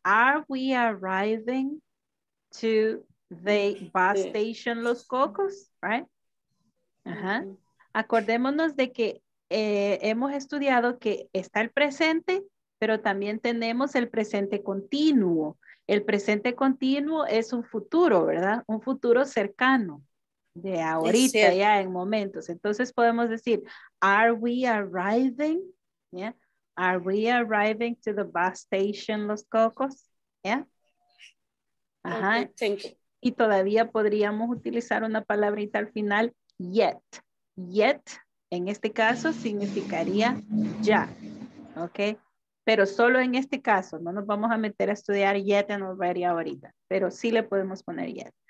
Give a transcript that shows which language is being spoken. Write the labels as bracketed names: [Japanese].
[English] Are we arriving to the bus station Los Cocos? Right? Uh-huh. Mm-hmm. [Spanish] Acordémonos de que hemos estudiado que está el presente, pero también tenemos el presente continuo. El presente continuo es un futuro, ¿verdad? Un futuro cercano, de ahorita, ya en momentos. Entonces podemos decir, [English] are we arriving? [Spanish] Yeah. [English] Are we arriving to the bus station, Los Cocos? Yeah. Ajá. Okay, thank you. [Spanish] Y todavía podríamos utilizar una palabrita al final, yet. Yet. En este caso significaría ya, ¿ok? Pero solo en este caso, no nos vamos a meter a estudiar [English] yet and already [Spanish] ahorita, pero sí le podemos poner yet.